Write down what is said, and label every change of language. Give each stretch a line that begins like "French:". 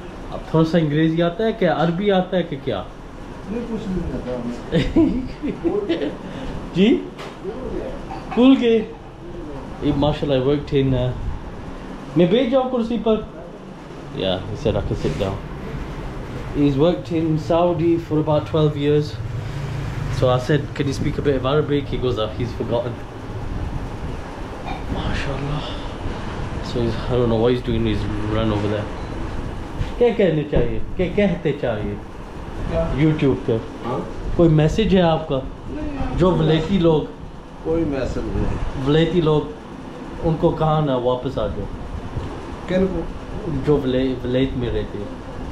Hindi: अब थोड़ा सा अंग्रेजी आता है क्या, अरबी आता है कि क्या? नहीं कुछ नहीं आता हमें। जी? भूल गए? ये माशाल्लाह वर्क टेन है। मैं बैठ जाऊँ कुर्सी पर?
English: Yeah, he said I can sit down. He's worked in Saudi for about 12 years. So I said, can you speak a bit of Arabic? He goes, he's forgotten. MashaAllah. So he's, I don't know what he's doing. He's run over there.
Hindi: क्या कहने चाहिए क्या कहते चाहिए YouTube पे कोई message है आपका जो वलेती लोग कोई मैसेज नहीं वलेती लोग उनको कहाँ ना वापस आ जाओ क्या वो जो वलेत में रहते हैं